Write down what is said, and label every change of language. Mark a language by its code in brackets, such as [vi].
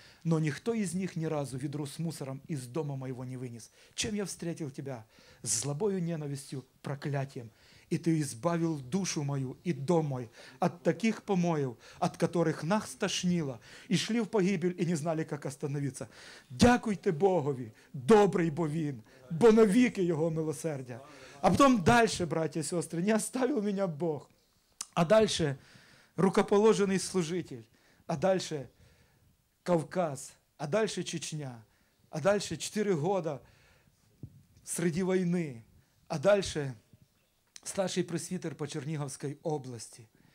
[ru] Но никто из них ни разу ведро с мусором из дома моего не вынес. Чем я встретил тебя? С злобою, ненавистью, проклятием. И ты избавил душу мою и дом мой от таких помоев, от которых нас тошнило, и шли в погибель, и не знали, как остановиться. [uk] Дякуйте Богові, добрий бо він, бо навіки його милосердя. [ru] А потом дальше, братья и сестры, не оставил меня Бог. А дальше рукоположенный служитель, а дальше Кавказ, а дальше Чечня, а дальше 4 года среди войны, а дальше старший пресвитер по Черниговской области.